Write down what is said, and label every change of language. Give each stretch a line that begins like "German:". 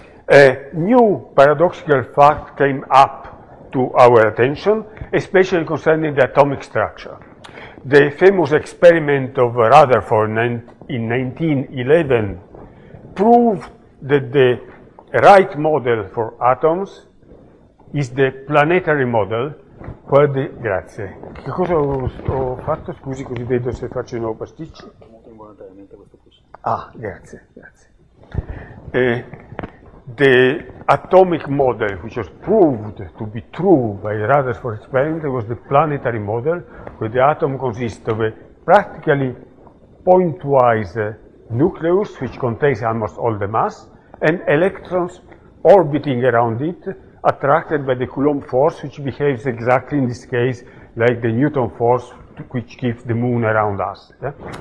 English: A new paradoxical fact came up to our attention, especially concerning the atomic structure. The famous experiment of Rutherford in 1911 proved that the right model for atoms is the planetary model.
Italian: Quale grazie. Che cosa ho fatto? Scusi, così vedo se faccio il nuovo pasticcio. Molto involontariamente questo qui. Ah, grazie, grazie.
English: The atomic model, which was proved to be true by Rutherford experiment, was the planetary model, where the atom consists of a practically pointwise nucleus, which contains almost all the mass, and electrons orbiting around it, attracted by the Coulomb force, which behaves exactly in this case like the Newton force which keeps the moon around us. Yeah?